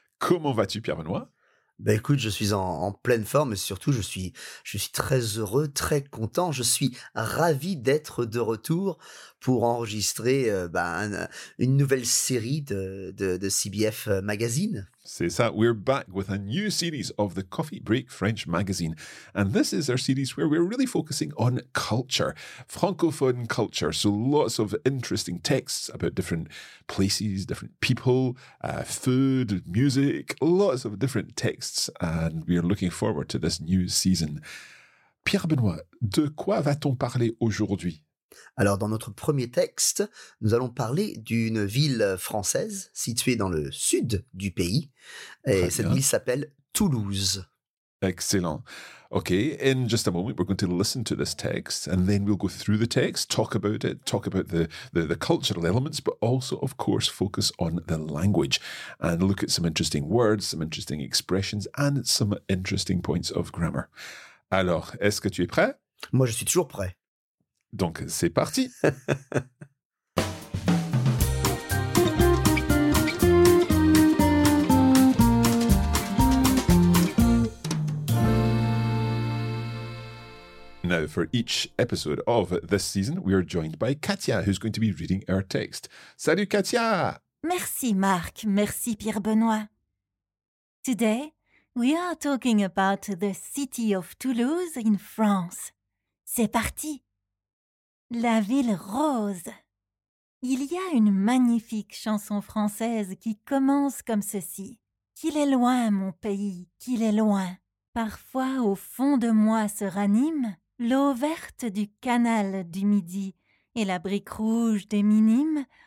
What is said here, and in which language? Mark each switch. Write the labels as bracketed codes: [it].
[fr] Comment vas-tu, Pierre-Benoît ? Ben écoute, je suis en pleine forme et surtout, je suis très heureux, très content. Je suis ravi d'être de retour pour enregistrer une nouvelle série de CBF Magazine. C'est ça. [en] We're back with a new series of the Coffee Break French Magazine. And this is our series where we're really focusing on culture, francophone culture. So lots of interesting texts about different places, different people, food, music, lots of different texts. And we are looking forward to this new season. [fr] Pierre-Benoît, de quoi va-t-on parler aujourd'hui? Alors, dans notre premier texte, nous allons parler d'une ville française située dans le sud du pays. Et cette ville s'appelle Toulouse. Excellent. [en] Okay, in just a moment, we're going to listen to this text and then we'll go through the text, talk about it, talk about the cultural elements, but also, of course, focus on the language and look at some interesting words, some interesting expressions and some interesting points of grammar. [fr] Alors, est-ce que tu es prêt? Moi, je suis toujours prêt. Donc, c'est parti. [en] Now, for each episode of this season, we are joined by Katia, who's going to be reading our text. [fr] Salut, Katia! Merci, Marc. Merci, Pierre-Benoît. [en] Today, we are talking about the city of Toulouse in France. [fr] C'est parti! La ville rose. Il y a une magnifique chanson française qui commence comme ceci. Qu'il est loin, mon pays, qu'il est loin. Parfois, au fond de moi se ranime l'eau verte du canal du Midi et la brique rouge des Minimes.